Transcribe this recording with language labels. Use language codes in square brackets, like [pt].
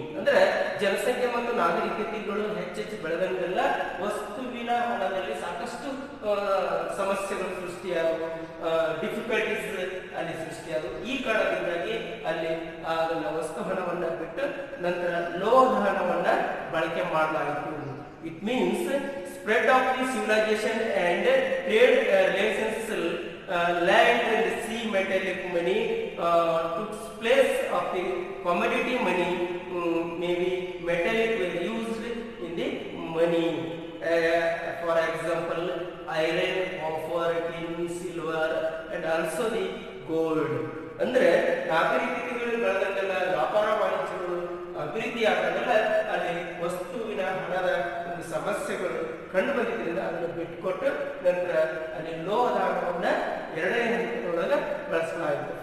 [kn] ಅಂದ್ರೆ ಜನಸಂಖ್ಯೆ ಮತ್ತು ನಾಗರಿಕತೆಗಳು ಹೆಚ್ಚೆಚ್ಚು ಬೆಳೆದಂಗೆಲ್ಲ ವಸ್ತುವಿನ ಹಣದಲ್ಲಿ ಸಾಕಷ್ಟು ಸಮಸ್ಯೆಗಳು ಸೃಷ್ಟಿಯಾದವು, ಡಿಫಿಕಲ್ಟೀಸ್ ಅಲ್ಲಿ ಸೃಷ್ಟಿಯಾದವು. ಈ ಕಾರಣದಿಂದಾಗಿ ಅಲ್ಲಿ ಅದನ್ನು ವಸ್ತು ಹಣವನ್ನು ಬಿಟ್ಟು ನಂತರ ಲೋಹದ ಹಣವನ್ನ ಬಳಕೆ ಮಾಡಲಾಯಿತು. [en] It means spread of the civilization and trade relations land and sea metallic money took place of the commodity money, maybe metallic were used in the money. For example, iron, copper, tin, silver, and also the gold. [kn] Andre, ನಾಗರಿಕತೆಗಳು ಬೆಳೆದಂತೆಲ್ಲ ವ್ಯಾಪಾರ ವಾಣಿಜ್ಯಗಳು ಅಭಿವೃದ್ಧಿ ಆದಂತೆಲ್ಲ ಅಲ್ಲಿ ವಸ್ತುವಿನ ಹಣದ ಒಂದು ಸಮಸ್ಯೆಗಳು ಕಂಡು ಬಂದಿದ್ದರಿಂದ ಅದನ್ನು ಬಿಟ್ಟುಕೊಟ್ಟು ನಂತರ ಅಲ್ಲಿ ಲೋಹದ ಹಣವನ್ನು ಎರಡನೇ ಹಂತದೊಳಗೆ ಬಳಸಲಾಯಿತು.